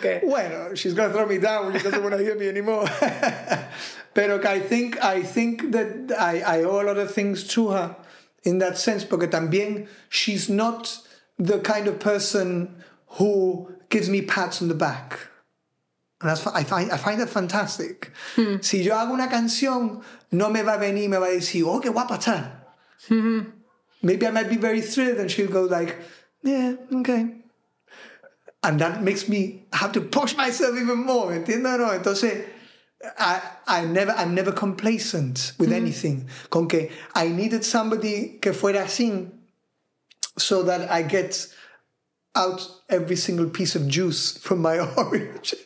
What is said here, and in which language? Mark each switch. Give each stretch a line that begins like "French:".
English: Well, she's going to throw me down when she doesn't want to hear me anymore.
Spanish: Pero que
English: I think that I owe a lot of things to her in that sense,
Spanish: porque también
English: she's not the kind of person who gives me pats on the back. And that's, I find that fantastic.
Spanish: Si yo hago una canción, no me va a venir, me va a decir, oh, qué guapa está.
English: Maybe I might be very thrilled and she'll go like, yeah, okay. And that makes me have to push myself even more.
Spanish: ¿Entiendes? No. Entonces,
English: I'm never complacent with anything.
Spanish: Con que
English: I needed somebody
Spanish: que fuera así
English: so that I get out every single piece of juice from my orange.